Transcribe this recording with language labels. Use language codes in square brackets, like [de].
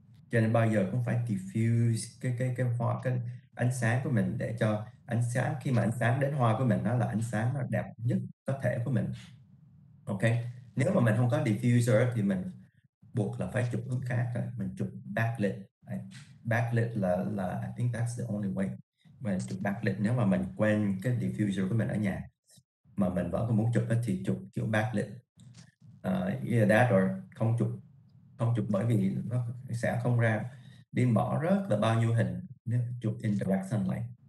[vi] Cho nên bao giờ cũng phải diffuse cái hoa, cái ánh sáng của mình, để cho ánh sáng, khi mà ánh sáng đến hoa của mình nó là ánh sáng đẹp nhất có thể của mình. Ok, nếu mà mình không có diffuser thì mình buộc là phải chụp hướng khác, mình chụp backlit. [en] Backlit là I think that's the only way. [vi] Mình chụp backlit, nếu mà mình quên cái diffuser của mình ở nhà mà mình vẫn muốn chụp thì chụp kiểu backlit. [en] Yeah, that or [vi] không chụp, không chụp bởi vì nó sẽ không ra. Đi bỏ rất là bao nhiêu hình nếu chụp [en] indirect sunlight.